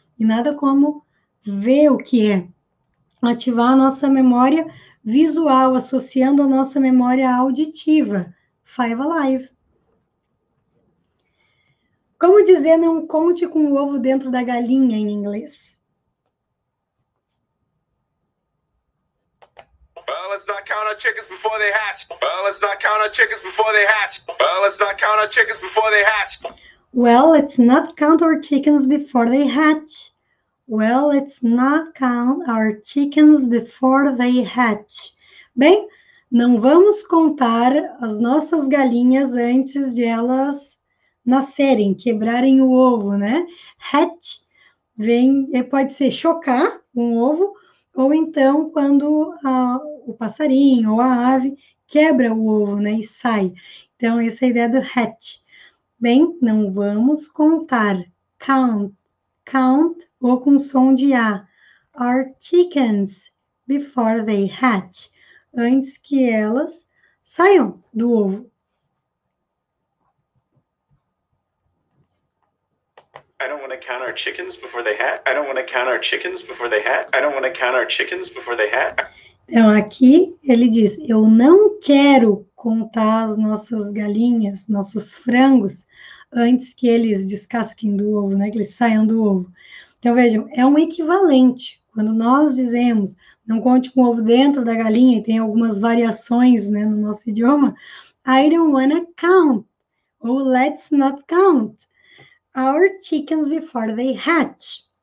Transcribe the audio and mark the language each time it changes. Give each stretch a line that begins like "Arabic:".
Portuguese: E nada como ver o que é. Ativar a nossa memória visual, associando a nossa memória auditiva.
English: Five Alive.
Portuguese: Como dizer não conte com o ovo dentro da galinha em inglês?
English: Let's not count our chickens before they hatch. Well, let's not count our chickens before they hatch. Well, let's not count our chickens before they hatch. Well, let's not count our chickens before they hatch.
Portuguese: Bem, não vamos contar as nossas galinhas antes de elas nascerem, quebrarem o ovo, né? Hatch vem, pode ser chocar um ovo, ou então quando o passarinho ou a ave quebra o ovo, né, e sai. Então, essa é a ideia do hatch. Bem, não vamos contar. Count. Count, ou com som de A.
English: Our chickens before they hatch.
Portuguese: Antes que elas saiam do ovo.
English: I don't want to count our chickens before they hatch. I don't want to count our chickens before they hatch. I don't want to count our chickens before they hatch.
Portuguese: Então, aqui ele diz, eu não quero contar as nossas galinhas, nossos frangos, antes que eles descasquem do ovo, né? Que eles saiam do ovo. Então, vejam, é um equivalente. Quando nós dizemos, não conte com o ovo dentro da galinha, e tem algumas variações, né, no nosso idioma,
English: I don't wanna count,
Portuguese: ou
English: let's not count our chickens before they hatch.